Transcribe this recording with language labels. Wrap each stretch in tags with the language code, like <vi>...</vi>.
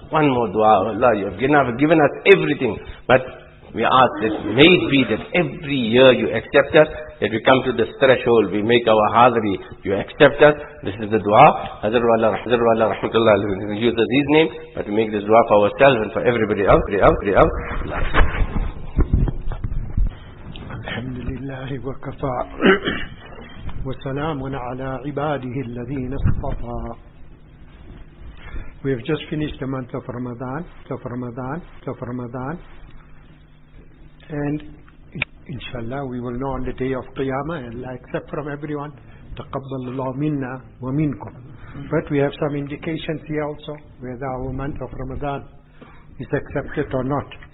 <en>One more dua, oh Allah, you have given us everything, but we ask that may it be that every year you accept us, that we come to this threshold, we make our hadri, you accept us. This is the dua, Hazrat Wala Rahmatullah Ali, we use his name, but we make this dua for ourselves and for everybody else,</en> <ar>الحمد لله وكفى وسلام على عباده الذين اصطفى.</ar> <en>We have just finished the month of Ramadan, and inshallah we will know on the day of Qiyamah, and Allah accept from everyone.</en> <ar>تقبل الله منا ومنكم.</ar> <en>But we have some indications here also whether our month of Ramadan is accepted or not.</en>